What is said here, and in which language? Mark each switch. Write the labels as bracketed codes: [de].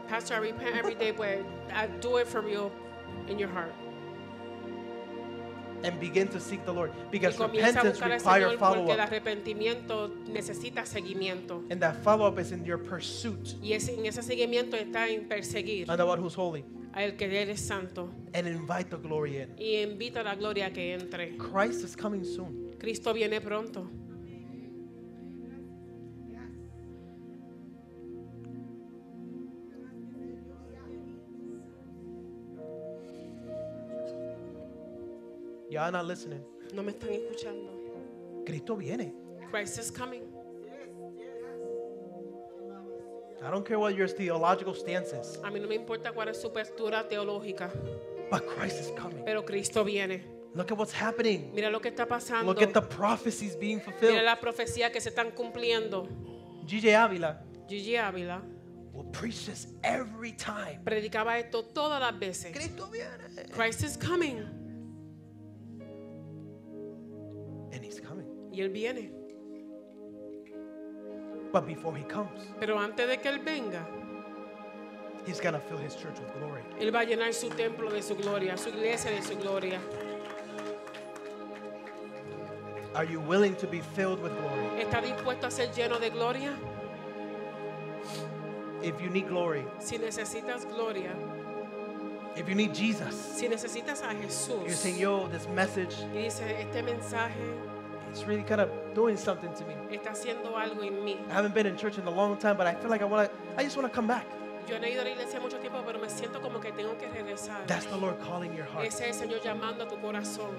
[en] Pastor, I repent every day, but I do it for real in your heart. And begin to seek the Lord, because repentance requires follow-up. [es] Porque el arrepentimiento necesita seguimiento. [en] And that follow-up is in your pursuit. [es] Y es en ese seguimiento está en perseguir. [en] And the one who's holy. [es] A el que eres santo. [en] And invite the glory in. [es] Y invita la gloria que entre. [en] Christ is coming soon. [es] Cristo viene pronto. [en] Y'all not listening. [es] No me están escuchando. Cristo viene. [en] Christ is coming. I don't care what your theological stance is. [es] A mí no me importa cuál es su postura teológica. [en] But Christ is coming. [es] Pero Cristo viene. [en] Look at what's happening. [es] Mira lo que está pasando. [en] Look at the prophecies being fulfilled. [es] Mira la profecía que se están cumpliendo. [en] Gigi Ávila. Will preach this every time. [es] Predicaba esto todas las veces. Cristo viene. [en] Christ is coming. And he's coming. [es] Y él viene. [en] But before he comes, [es] pero antes de que él venga, [en] he's gonna fill his church with glory. [es] Él va a llenar su templo de su gloria, su iglesia de su gloria. [en] Are you willing to be filled with glory? [es] ¿Está dispuesto a ser lleno de gloria? [en] If you need glory, [es] si necesitas gloria. [en] If you need Jesus, [es] si necesitas a Jesús, [en] you're saying, yo, this message, [es] y dice, este mensaje, [en] it's really kind of doing something to me. [es] Está haciendo algo en mí. [en] I haven't been in church in a long time, but I feel like I just want to come back. [es] Yo no he ido a la iglesia mucho tiempo, pero me siento como que tengo que regresar. [en] That's the Lord calling your heart. [es] Ese es el Señor llamando a tu corazón.